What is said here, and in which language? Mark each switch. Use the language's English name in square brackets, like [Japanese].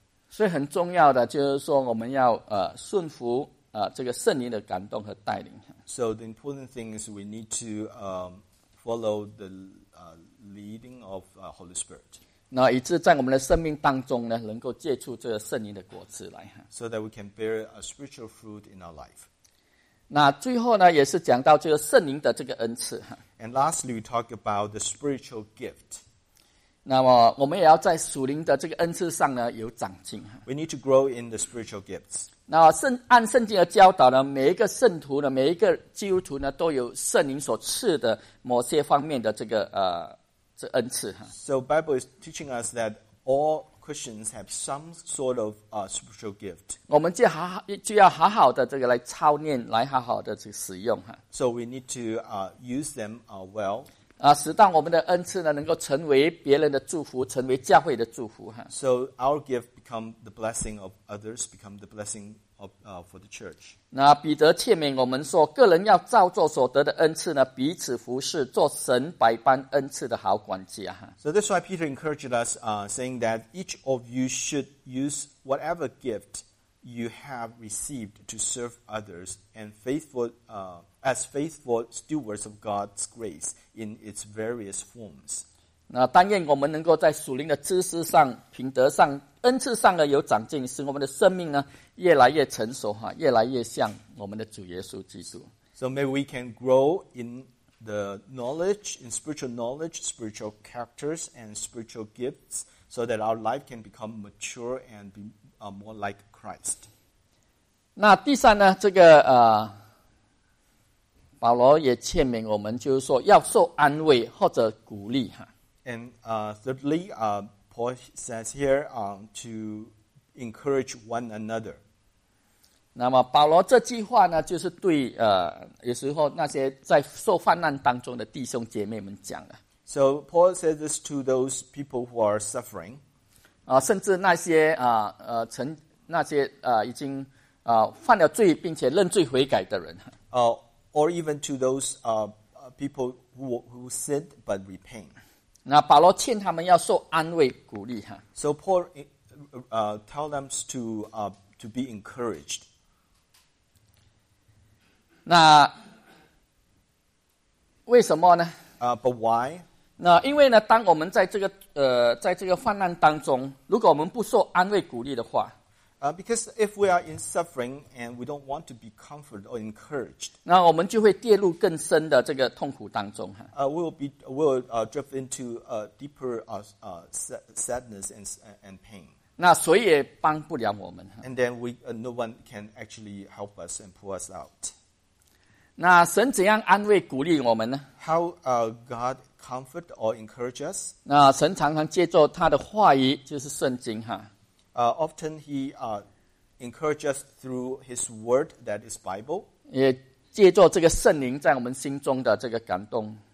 [Chinese] 所以很重要的就是说，我们要顺服这个圣灵的感动和带领。 [English] So the important thing is we need to follow the leading of Holy Spirit. [Chinese] 那以致在我们的生命当中呢，能够结出这个圣灵的果子来。 [English] So that we can bear a spiritual fruit in our life. [Chinese] 那最后呢，也是讲到这个圣灵的这个恩赐。 [English] And lastly, we talk about the spiritual gift. [Chinese] 那么我们也要在属灵的这个恩赐上呢有长进。 [English] We need to grow in the spiritual gifts. [Chinese] 那按圣经的教导呢，每一个圣徒呢，每一个基督徒呢，都有圣灵所赐的某些方面的这个恩赐。 [English] So Bible is teaching us that all Christians have some sort of spiritual gift. [Chinese] 我们就要好好的这个来操练，来好好的去使用。 [English] So we need to use them well. [Chinese] 使当我们的恩赐呢，能够成为别人的祝福，成为教会的祝福。 [English] So our gift become the blessing of others, become the blessing of for the church. [Chinese] 那彼得劝勉我们说，个人要照着所得的恩赐呢，彼此服侍，做神百般恩赐的好管家。 [English] So that's why Peter encouraged us, saying that each of you should use whatever gift you have received to serve others and faithful, as faithful stewards of God's grace in its various forms. [Chinese] 那但愿我们能够在属灵的知识上、品德上、恩赐上的有长进，使我们的生命呢越来越成熟哈，越来越像我们的主耶稣基督。 [English] So may we can grow in the knowledge, in spiritual knowledge, spiritual characters, and spiritual gifts, so that our life can become mature and be more like Christ. [Chinese] 那第三呢，这个保罗也劝勉我们，就是说要受安慰或者鼓励哈。 [English] And thirdly, Paul says here to encourage one another. [Chinese] 那么保罗这句话呢，就是对有时候那些在受患难当中的弟兄姐妹们讲的。 [English] So Paul says this to those people who are suffering. [Chinese] 甚至那些那些已经犯了罪并且认罪悔改的人。 [English] Or even to those people who sinned but repent. [Chinese] 那保罗劝他们要受安慰鼓励哈。 [English] So Paul tell them to be encouraged. [Chinese] 那为什么呢？ [English] But why? [Chinese] 那因为呢，当我们在这个在这个患难当中，如果我们不受安慰鼓励的话。 [English] Because if we are in suffering and we don't want to be comforted or encouraged, [Chinese] 那我们就会跌入更深的这个痛苦当中。 [English] We will drift into deeper sadness and pain. [Chinese] 那谁也帮不了我们。 [English] And then no one can actually help us and pull us out. [Chinese] 那神怎样安慰鼓励我们呢？ [English] How God comfort or encourage us? [Chinese] 那神常常借助他的话语，就是圣经哈。 [English] Often he encourages us through his word, that is Bible. [Chinese] 也借助这个圣灵在我们心中的这个感动。